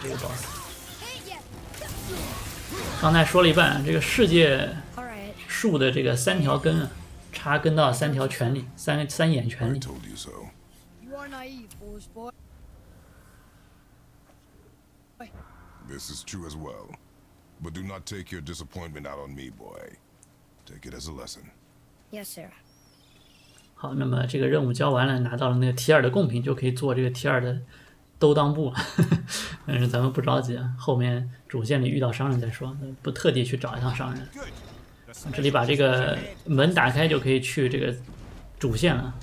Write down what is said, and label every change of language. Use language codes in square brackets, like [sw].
[zh] 这个 boss 刚才说了一半，这个世界树的这个三条根插根到三条拳里，三眼拳里。 [en] This is true as wellBut do not take your disappointment out on me, boy. Take it as a lesson. Yes, sir. [zh] 好，那么这个任务交完了，拿到了那个提尔的贡品，就可以做这个提尔的兜裆布。但是咱们不着急，后面主线里遇到商人再说，不特地去找一趟商人。这里把这个门打开，就可以去这个主线了。